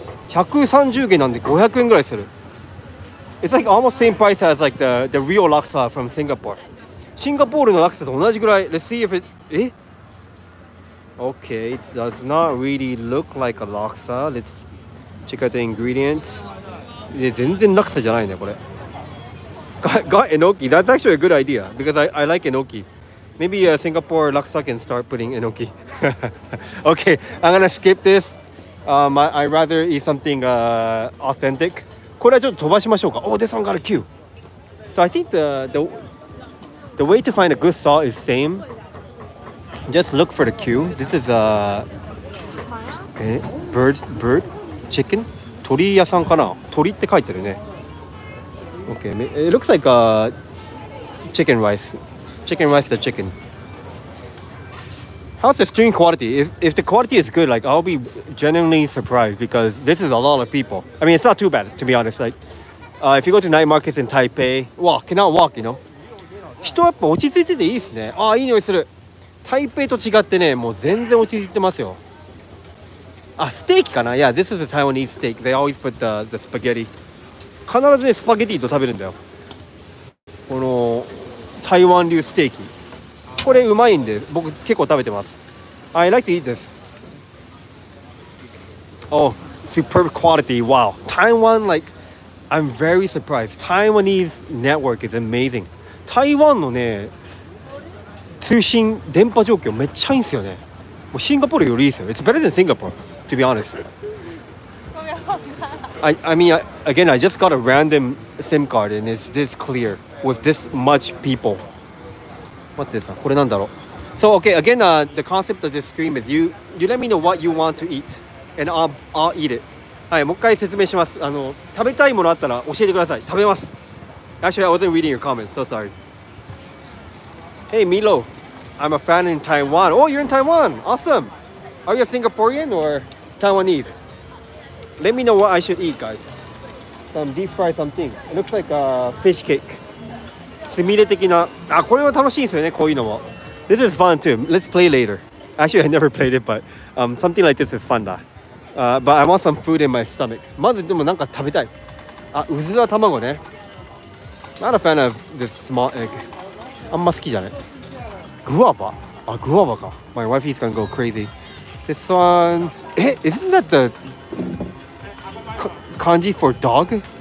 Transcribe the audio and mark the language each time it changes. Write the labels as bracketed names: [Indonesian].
[Japanese] 130元なんで500円ぐらいする。 [English] It's like almost same price as like the real laksa from Singapore. [Japanese] Singapore の laksa と同じぐらい。 [English] Let's see if it... Eh? Okay, does not really look like a laksa. Let's check out the ingredients. [Japanese] え、全然 laksa じゃないね、これ。 [English] Got enoki. That's actually a good idea. Because I like enoki. Maybe Singapore laksa can start putting enoki. Okay, I'm gonna skip this. I'd rather eat something authentic. [Japanese] これはちょっと飛ばしましょうか。おー、デソンガルキュー。 [English] So I think the way to find a good salt is same. Just look for the cue. This is a bird chicken. [Japanese] 鳥屋さんかな。鳥って書いてるね。 [English] Okay, it looks like a chicken rice the chicken. How's the stream quality? If the quality is good, like I'll be genuinely surprised because this is a lot of people. I mean, it's not too bad, to be honest. Like, if you go to night markets in Taipei, wow, cannot walk, you know? [Japanese] 人やっぱ落ち着いてていいですね。ああ、いい匂いする。台北と違ってね、もう全然落ち着いてますよ。あ、ステーキかな? [English] Yeah, this is a Taiwanese steak. They always put the spaghetti. [Japanese] 必ずね、スパゲティと食べるんだよ。この台湾流ステーキ。これうまいんで、僕結構食べてます。 [English] I like to eat this. Oh, superb quality. Wow. Taiwan, like, I'm very surprised. Taiwanese network is amazing. [Japanese] 台湾のね、通信電波状況めっちゃいいんですよね。もうシンガポールよりいいですよ。 [English] It's better than Singapore, to be honest. I just got a random SIM card and it's this clear with this much people. What's this? [Japanese] これなんだろう? [English] So, okay, again, the concept of this stream is you let me know what you want to eat, and I'll eat it. [Japanese] はい、もう一回説明します。食べたいものあったら教えてください。食べます。 [English] Actually, I wasn't reading your comments, so sorry. Hey, Milo, I'm a fan in Taiwan. Oh, you're in Taiwan! Awesome! Are you a Singaporean or Taiwanese? Let me know what I should eat, guys. Some deep fried something. It looks like a fish cake. [Japanese] セミレ的な、あ、これは楽しいですよね、こういうのも。 [English] This is fun too. Let's play later. Actually, I never played it, but something like this is fun だ。 But I want some food in my stomach. [Japanese] まずでもなんか食べたい。あ、うずら卵ね。 [English] Not a fan of this small egg. [Japanese] あんま好きじゃない。グアバ?あ、グアバか。 [English] My wife is gonna go crazy. This one... え、isn't that the kanji for dog?